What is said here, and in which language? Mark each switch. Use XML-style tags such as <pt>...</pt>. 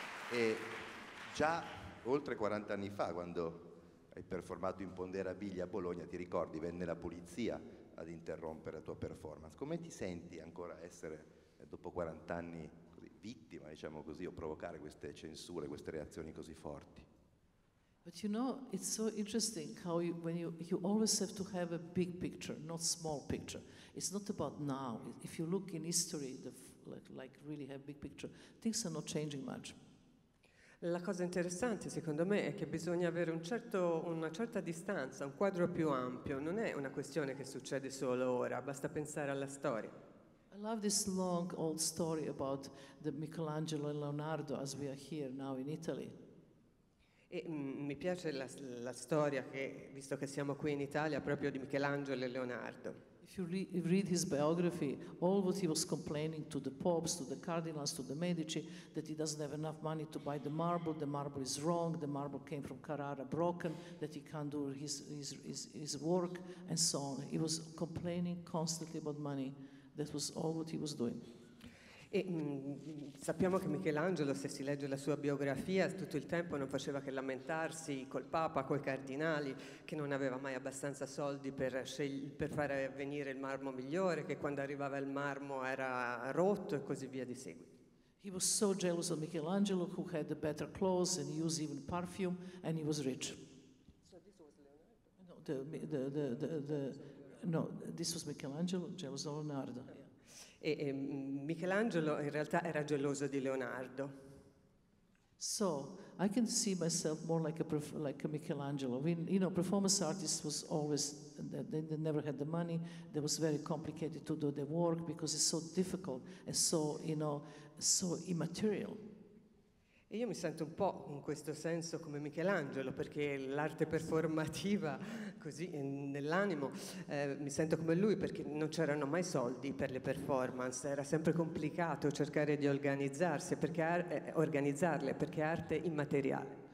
<it>E già oltre 40 anni fa, quando hai performato in Ponderabiglia a Bologna, ti ricordi, venne la polizia ad interrompere la tua performance. Come ti senti ancora essere, dopo 40 anni, così, vittima, diciamo così, o provocare queste censure, queste reazioni così forti?</it> <en>But you know, it's so interesting how you always have to have a big picture, not small picture. It's not about now. If you look in history, like really have big picture, things are not changing much.</en> <it>La cosa interessante, secondo me, è che bisogna avere una certa distanza, un quadro più ampio. Non è una questione che succede solo ora. Basta pensare alla storia.</it> <en>I love this long old story about the Michelangelo and Leonardo, as we are here now in Italy.</en> <it>E mi piace la storia, che visto che siamo qui in Italia, proprio di Michelangelo e Leonardo.</it> <en>If you read his biography, all what he was complaining to the popes, to the cardinals, to the Medici, that he doesn't have enough money to buy the marble is wrong, the marble came from Carrara broken, that he can't do his work, and so on. He was complaining constantly about money. That was all what he was doing.</en> <it>E sappiamo che Michelangelo, se si legge la sua biografia, tutto il tempo non faceva che lamentarsi col Papa, coi cardinali, che non aveva mai abbastanza soldi per fare venire il marmo migliore, che quando arrivava il marmo era rotto e così via di seguito.</it> <en>He was so jealous of Michelangelo, who had the better clothes and used even perfume, and he was rich. So this was Leonardo? No, this was Michelangelo, jealous of Leonardo. Yeah.</en> <it>E Michelangelo in realtà era geloso di Leonardo.</it> <en>So, I can see myself more like a Michelangelo. Performance artist was always, they never had the money, it was very complicated to do the work because it's so difficult and so, so immaterial.</en> <it>E io mi sento un po' in questo senso come Michelangelo, perché l'arte performativa, così nell'animo, mi sento come lui, perché non c'erano mai soldi per le performance, era sempre complicato cercare di organizzarsi, perché arte immateriale.</it>